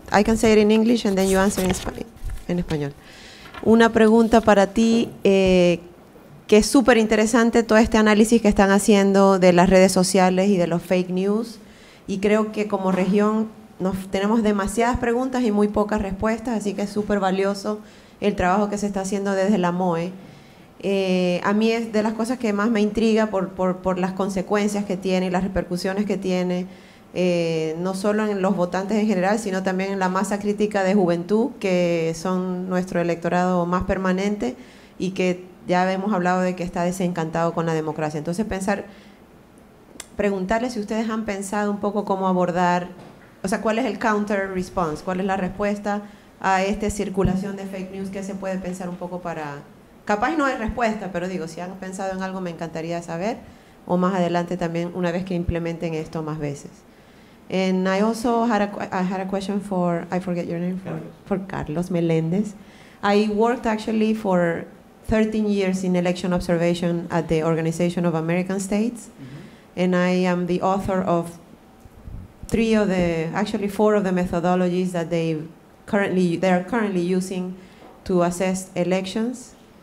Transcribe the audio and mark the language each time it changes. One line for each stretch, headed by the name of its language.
English: I can say it in English and then you answer in español.
Spanish: Una pregunta para ti, que es súper interesante todo este análisis que están haciendo de las redes sociales y de los fake news. Y creo que como región tenemos demasiadas preguntas y muy pocas respuestas, así que es súper valioso el trabajo que se está haciendo desde la MOE. A mí es de las cosas que más me intriga por las consecuencias que tiene y las repercusiones que tiene, no solo en los votantes en general, sino también en la masa crítica de juventud, que son nuestro electorado más permanente y que ya hemos hablado de que está desencantado con la democracia. Entonces, preguntarle si ustedes han pensado un poco cómo abordar, o sea, cuál es el counter response, cuál es la respuesta a esta circulación de fake news, que se puede pensar un poco para... Capaz no hay respuesta, pero digo, si han pensado en algo me encantaría saber, o más adelante también una vez que implementen esto más veces.
English: And I also had a question for, I forget your name, for Carlos Meléndez. I worked actually for 13 years in election observation at the Organization of American States, and I am the author of 4 of the methodologies that they are currently using to assess elections.